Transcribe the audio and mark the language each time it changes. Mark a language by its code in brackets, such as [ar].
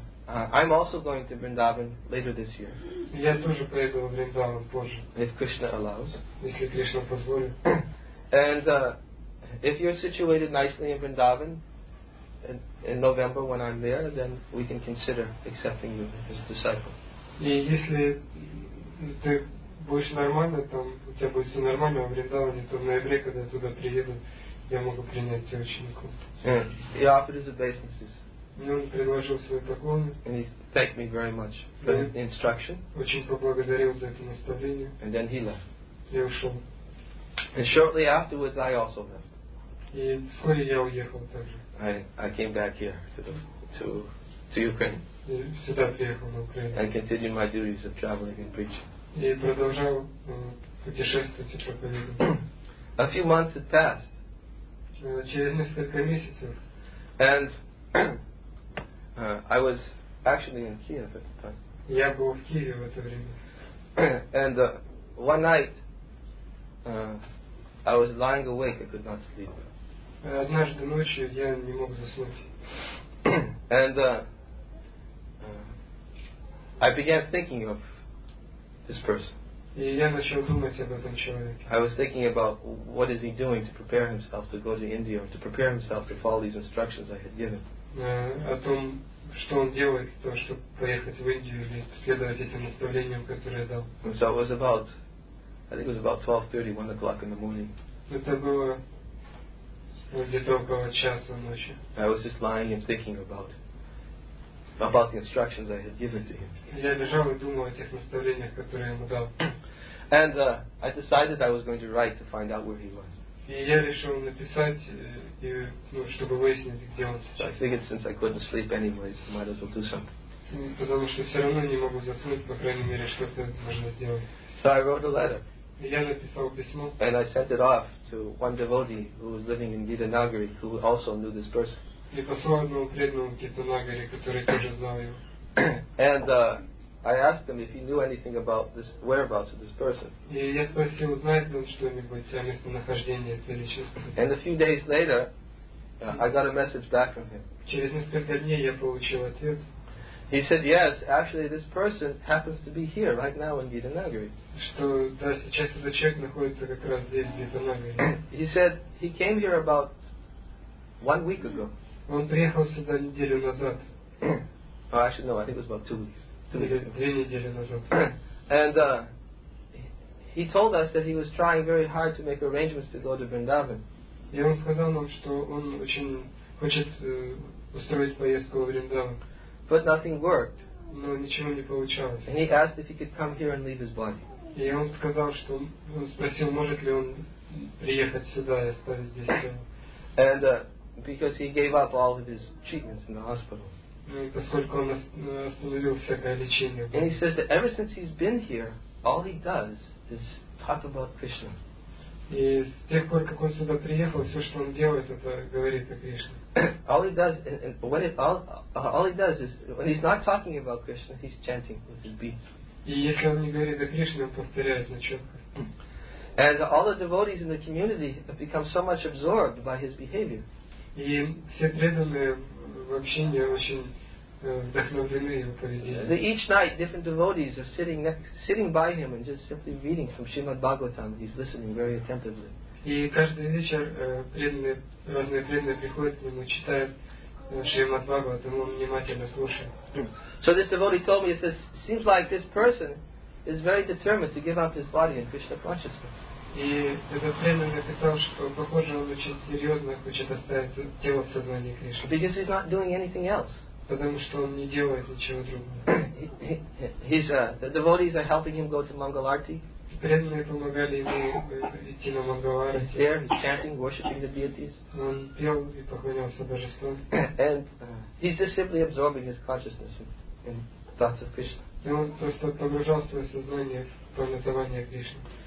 [en] I'm also going to Vrindavan later this year. [ru] Я тоже поеду в Вриндаван позже. [en] If Krishna allows. [ru] Если Кришна позволит. [en] And if you're situated nicely in Vrindavan in November when I'm there, then we can consider accepting you as a disciple. [ru] И если ты будешь нормально, там у тебя будет все нормально в Вриндаване, то в ноябре, когда я туда приеду, я могу принять тебя учеником. [en] He offered his obeisances. [ru] Он предложил свои поклоны. [en] And he thanked me very much for the instruction. [ru] Очень поблагодарил за это наставление. [en] And then he left. [ru] Я ушел. [en] And shortly afterwards I also left. [ru] И вскоре я уехал также. [en] I came back here to Ukraine. [ru] И сюда приехал на Украину. [en] And continued my duties of traveling and preaching. [ru] И продолжал путешествовать и проповедовать. [en] A few months had passed. [ru] Через несколько месяцев. [en] And I was actually in Kiev at the time. [ru] Я был в Киеве в это время. [en] And one night I was lying awake, I could not sleep. [ru] Однажды ночью я не мог заснуть. [en] And I began thinking of this person. [ru] И я начал думать об этом человеке. [en] I was thinking about what is he doing to prepare himself to go to India or to prepare himself to follow these instructions I had given. [ru] О том, что он делает, то, чтобы поехать в Индию или следовать этим наставлениям, которые я дал. [en] And so it was about, I think it was about 12:30, 1 o'clock in the morning. [ru] Это было где-то около часа ночи. [en] I was just lying and thinking about the instructions I had given to him. [ru] Я лежал и думал о тех наставлениях, которые я ему дал. [en] And I decided I was going to write to find out where he was. [ru] И я решил написать, чтобы выяснить, где он сейчас. [en] I figured since I couldn't sleep anyway, I might as well do something. [ru] Потому что все равно не могу заснуть, по крайней мере, что-то можно сделать. [en] So I wrote a letter. [ru] И я написал письмо. [en] And I sent it off to one devotee who was living in Gitanagari, who also knew this person. [ru] И послал одному преданному Гитанагари, который тоже знал его. [en] And I asked him if he knew anything about this whereabouts of this person. [ru] И я спросил, знает ли он что-нибудь о местонахождении этого личности. [en] And a few days later, I got a message back from him. [ru] Через несколько дней я получил ответ. [en] He said, "Yes, actually, this person happens to be here right now in Gitanagari." [ru] Что да, сейчас этот человек находится как раз здесь, в Гитанагаре. [en] He said he came here about 1 week ago. [ru] Он приехал сюда неделю назад. [en] Oh, actually, no, I think it was about 2 weeks. [ru] Две недели назад. [en] And he told us that he was trying very hard to make arrangements to go to Vrindavan. [ru] И он сказал нам, что он очень хочет устроить поездку в Вриндаван. [en] But nothing worked. [ru] Но ничего не получалось. [en] And he asked if he could come here and leave his body. [ru] И он сказал, что он спросил, может ли он приехать сюда и оставить здесь тело. [en] And because he gave up all of his treatments in the hospital. [ru] И поскольку он остановил всякое лечение. [en] And he says that ever since he's been here, all he does is talk about Krishna. [ru] И с тех пор, как он сюда приехал, все, что он делает, это говорит о Кришне. [en] All he does, and when it all he does is when he's not talking about Krishna, he's chanting with his beats. [ru] И если он не говорит о Кришне, он повторяет на чётко. [en] And all the devotees in the community have become so much absorbed by his behavior. [ru] И все преданные в общине очень вдохновлены его поведением. [en] Each night, different devotees are sitting by him and just simply reading from Srimad Bhagavatam. He's listening very attentively. [ru] И каждый вечер преданные, разные преданные приходят к нему, читают Шримад Бхагаватам, он внимательно слушает. [en] So this devotee told me, he says, seems like this person is very determined to give up his body in Krishna consciousness. [ru] И этот преданный написал, что похоже, он очень серьезно хочет оставить тело в сознании Кришны. [en] Because he's not doing anything else. [ru] Потому что он не делает ничего другого. [en] The devotees are helping him go to Mangalarti. [ru] Преданные помогали ему идти на Мангаларти. [en] He's there, he's chanting, worshiping the deities. [ru] Он пел и поклонялся божествам. [en] And he's just simply absorbing his consciousness in thoughts of Krishna. [ru] И он просто погружал свое сознание в памятование Кришны.